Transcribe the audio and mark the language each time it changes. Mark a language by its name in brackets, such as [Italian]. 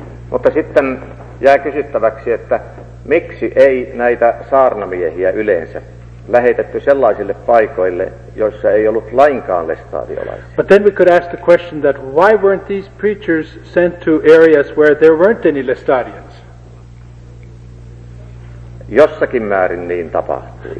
[Finnish] Mutta sitten jää kysyttäväksi, että miksi ei näitä saarnamiehiä yleensä lähetetty sellaisille paikoille, joissa ei ollut lainkaan lestadiolaisia? [English] But then we could ask the question that why weren't these preachers sent to areas where there weren't any Lestadians? [Finnish] Jossakin määrin niin tapahtui.